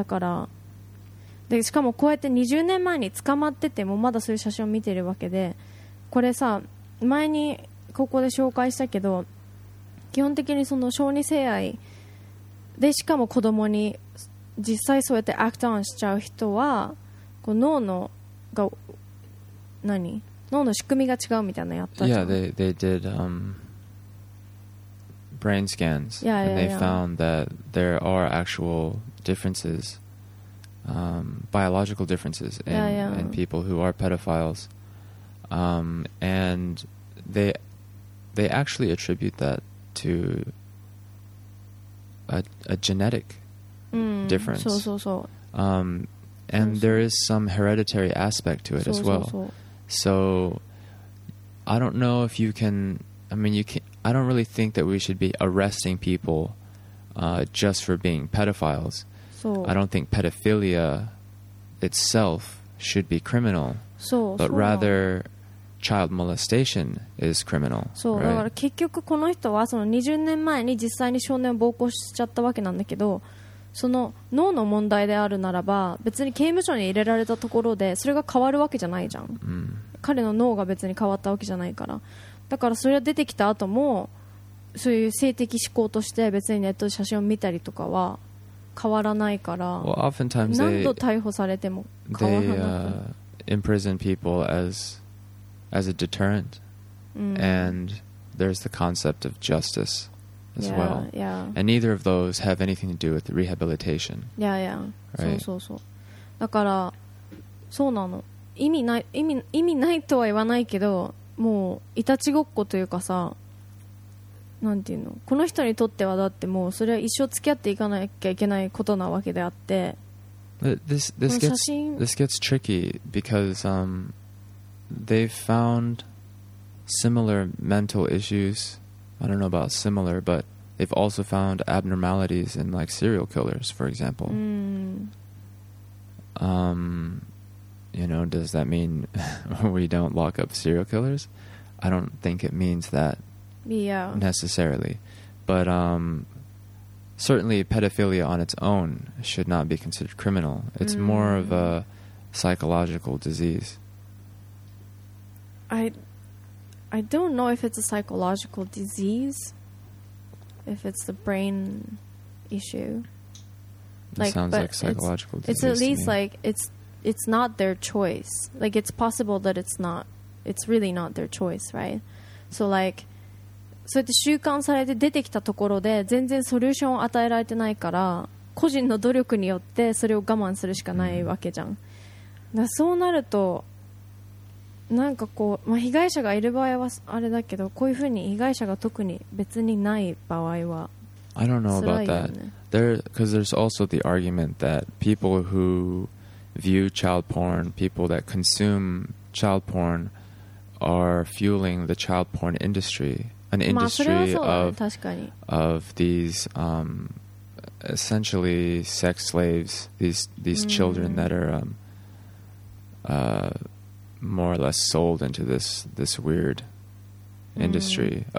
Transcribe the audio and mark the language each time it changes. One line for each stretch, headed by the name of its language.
Japanese: だからでしかもこうやって20年前に捕まっててもまだそういう写真を見てるわけで、これさ前にここで紹介したけど、基本的にその小児性愛でしかも子供に実際そうやってアクトオンしちゃう人はこう脳のが何脳の仕組みが違うみたいなのやったじゃん。
English: Yeah, they did、brain scans. Yeah, yeah, yeah. And they found that there are actual differences, biological differences in, yeah, yeah. in people who are pedophiles. And they actually attribute that to a genetic difference. So, so, so. And there is some hereditary aspect to it as well. So, I don't know if you can, I mean, you can, I don't really think that we should be arresting people just for being pedophiles. So. I don't think pedophilia itself should be criminal. So, but so. Rather... Child molestation is criminal.
Japanese: そう、
English: right?
Japanese: だから結局この人はその20年前に実際に少年を暴行しちゃったわけなんだけど、その脳の問題であるならば別に刑務所に入れられたところでそれが変わるわけじゃないじゃん、 mm. 彼の脳が別に変わったわけじゃないから、だからそれが出てきた後もそういう性的思考として別にネットで写真を見たりとかは変わらないから、
English: well, oftentimes
Japanese: 何度逮捕されても変わらなく
English: they, imprison people as a deterrent、 mm. and there's the concept of justice as yeah, well yeah. and neither of those have anything to do with rehabilitation yeah yeah、right?
Japanese: そうそうそう、だからそうなの、意味ないとは言わないけど、もういたちごっこというかさ、なんていうの、この人にとってはだってもうそれは一生付き合っていかなきゃいけないことなわけであって、
English: this gets tricky because they've found similar mental issues. I don't know about similar, but they've also found abnormalities in like serial killers, for example. Mm. You know, does that mean we don't lock up serial killers? I don't think it means that yeah. necessarily. But certainly pedophilia on its own should not be considered criminal. It's mm. more of a psychological disease. I don't know if it's a psychological disease, if it's the brain issue. Like, it sounds like psychological disease. It's at least like it's not their choice. Like it's possible that it's not. It's really not their choice, right? So like,
Japanese: そうやって習慣されて出てきたところで全然ソリューションを与えられてないから、個人の努力によってそれを我慢するしかないわけじゃん。だそうなると。なんかこう、まあ、被害者がいる場合はあれだけど、こういうふうに被害者が特に別にない場合は、ね、
English: I don't know about that. There, because there's also the argument that people who view child porn, people that consume child porn, are fueling the child porn industry, an industry、
Japanese: まあね、
English: of these、essentially sex slaves, these children that are、more or less sold into this weird industry、mm.